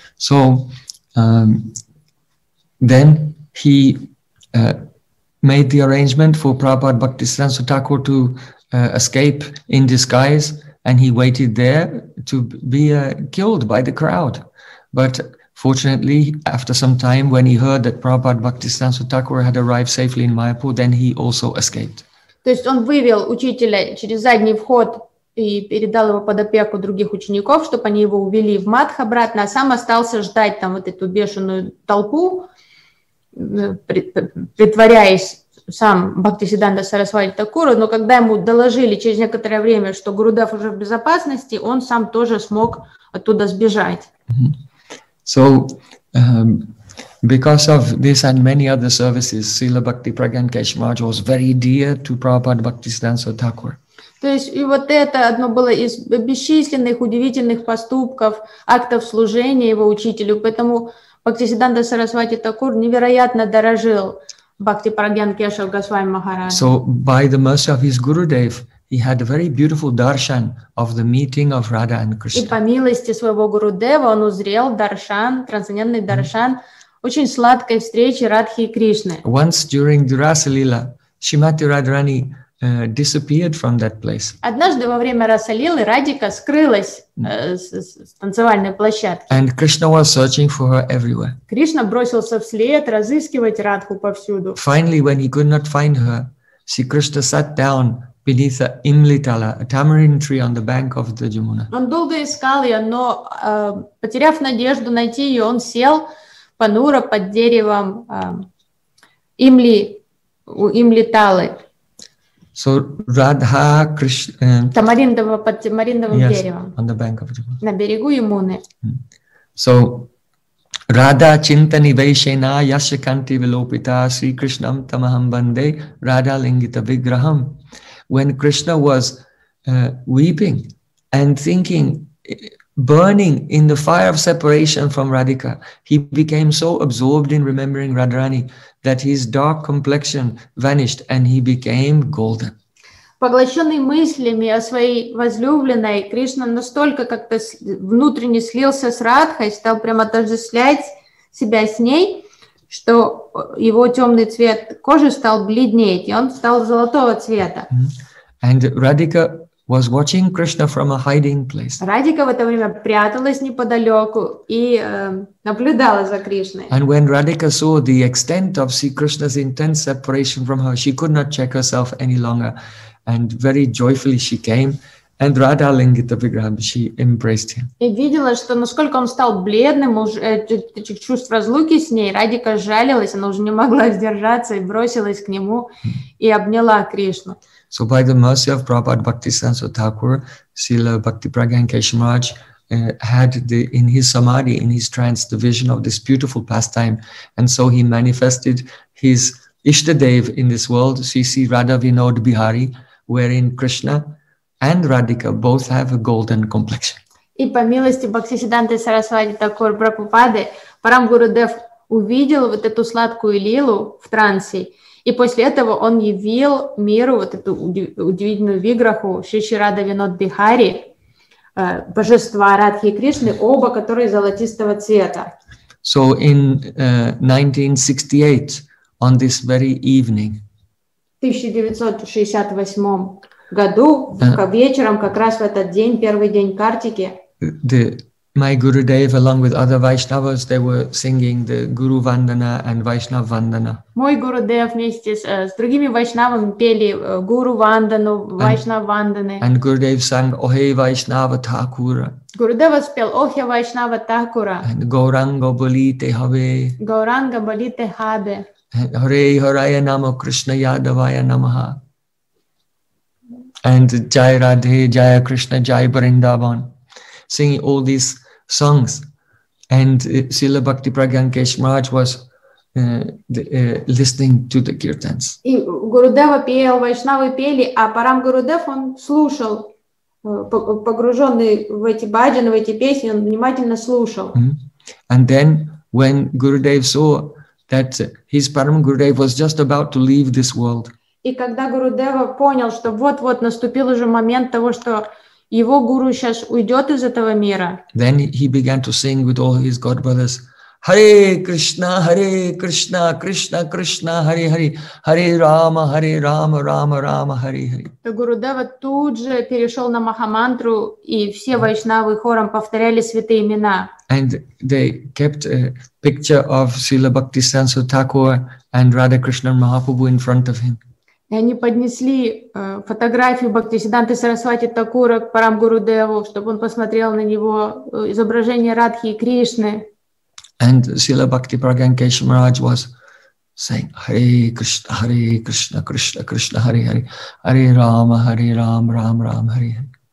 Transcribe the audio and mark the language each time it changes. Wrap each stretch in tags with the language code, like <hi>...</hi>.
<en>So, then he made the arrangement for Prabhupada Bhaktisiddhanta Thakur to escape in disguise, and he waited there to be killed by the crowd. But fortunately, after some time, when he heard that Prabhupada Bhaktisiddhanta Thakur had arrived safely in Mayapur, then he also escaped.</en> <ru>То есть он вывел учителя через задний вход и передал его под опеку других учеников, чтобы они его увели в Матх обратно, а сам остался ждать там вот эту бешеную толпу, притворяясь сам Бхактисиддханта Сарасвати Такура, но когда ему доложили через некоторое время, что Гурудев уже в безопасности, он сам тоже смог оттуда сбежать.</ru> <en>So, Because of this and many other services, Srila Bhakti Pragyan Keshmaj was very dear to Prabhupada Bhaktisiddhanta Thakur.</en> <ru>То есть и вот это одно было из бесчисленных удивительных поступков, актов служения его учителю, поэтому Бхактисиддханта Сарасвати Такур невероятно дорожил Бхакти Прагьян Кешав Госвами Махарадж.</ru> <en>So by the mercy of his Gurudev, he had a very beautiful darshan of the meeting of Radha and Krishna.</en> <ru>И по милости своего Гурудева он узрел даршан, трансцендентный даршан очень сладкой встречи Радхи и Кришны.</ru> <en>Once during Durasa Lila, Shrimati Radharani disappeared from that place.</en> <ru>Однажды во время Расалилы Радика скрылась с танцевальной площадки.</ru> <en>And Krishna was searching for her everywhere.</en> <ru>Кришна бросился вслед разыскивать Радху повсюду.</ru> <en>Finally, when he could not find her, Sri Krishna sat down beneath a imlitala, a tamarind tree on the bank of the Jamuna.</en> <ru>Он долго искал ее, но потеряв надежду найти ее, он сел понуро под деревом имлиталы.</ru> <en>So Radha Krishna.</en> <ru>Tamarindava под tamarindavым деревом.</ru> <en>On the bank of Jamuna.</en> <ru>На берегу Ямуны.</ru> <sa>So Radha Chintani Vaishena Yashakanti Vilopita Sri Krishnam Tamaham Bande Radha Lingita Vigraham.</sa> <en>When Krishna was weeping and thinking, burning in the fire of separation from Radhika, he became so absorbed in remembering Radharani that his dark complexion vanished and he became golden.</en> <ru>Поглощенный мыслями о своей возлюбленной, Кришна настолько как-то внутренне слился с Радхой, стал прямо отождествлять себя с ней, что его темный цвет кожи стал бледнеть, и он стал золотого цвета.</ru> <en>And Radhika was watching Krishna from a hiding place.</en> <ru>Радика в это время пряталась неподалеку и наблюдала за Кришной.</ru> <en>And when Radhika saw the extent of Sri Krishna's intense separation from her, she could not check herself any longer, and very joyfully she came and</en> <sa>Radha Lingita Vigraham,</sa> <en>she embraced him.</en> <ru>И видела, что насколько он стал бледным, уже чувств разлуки с ней, Радика жалилась, она уже не могла сдержаться и бросилась к нему и обняла Кришну.</ru> <en>So by the mercy of Prabhupada Bhaktisiddhanta Thakur, Srila Bhakti Pragyan Keshav Maharaj had the, in his samadhi, in his trance, the vision of this beautiful pastime. And so he manifested his Ishtadev in this world, Sisi Radha Vinod Bihari, wherein Krishna and Radhika both have a golden complexion.</en> <ru>И по милости Бхактисиддханты Сарасвати Такур Прабхупады, Парам Гурудев увидел вот эту сладкую лилу в трансе. И после этого он явил миру вот эту удивительную виграху Шри Радха Винод Бихари, божества Радхи и Кришны, оба которые золотистого цвета.</ru> <en>So in 1968, on this very evening,</en> <ru>1968 году, вечером, как раз в этот день, первый день Картики,</ru> <en>My Gurudev, along with other Vaishnavas, they were singing the Guru Vandana and Vaishnava Vandana.</en> <ru>Мой Гурудев вместе с другими Вайшнавами пели Гуру Вандану, Вайшнава Ванданы.</ru> <en>And Gurudev sang Ohe Vaishnava Thakura.</en> <ru>Гурудева спел Охе Вайшнава Такура.</ru> <en>And</en> <bn>Гауранга Болите Хабе. Гауранга Болите Хабе.</bn> <sa>Харе Харая Нама Кришна Ядавая Намаха.</sa> <en>And Jai Radhe, Jaya Krishna, Jai Бриндаван. Singing all these songs, and Srila Bhakti Pragyan Keshav Maharaj was listening to the kirtans.</en> <ru>И Гурудева пел, Вайшнавы пели, а Парам Гурудев он слушал, погруженный в эти баджаны, в эти песни, он внимательно слушал. Mm-hmm.</ru> <en>And then, when Gurudev saw that his Param Gurudev was just about to leave this world,</en> <ru>и когда Гурудева понял, что вот-вот наступил уже момент того, что его гуру сейчас уйдет из этого мира.</ru> <en>Then he began to sing with all his godbrothers, Hare Krishna, Hare Krishna, Krishna Krishna, Hare Hare, Hare Rama, Hare Rama, Rама Rама, Hare Hare.</en> <ru>То Гурудева тут же перешел на Махамантру, и все вайшнавы хором повторяли святые имена.</ru> <en>And they kept a picture of Srila Bhaktisiddhanta Thakur and Radha Krishna Mahaprabhu in front of him.</en> <ru>И они поднесли фотографию Бхактисиддханты Сарасвати Такура к Парам Гурудеву, чтобы он посмотрел на него изображение Радхи и Кришны.</ru> <en>And Srila Bhakti Pragyan Keshav Maharaj was saying, Hare Krishna, Krishna Krishna, Hare Hare, Hare Rama, Ram Ram, Hare Hare.</en>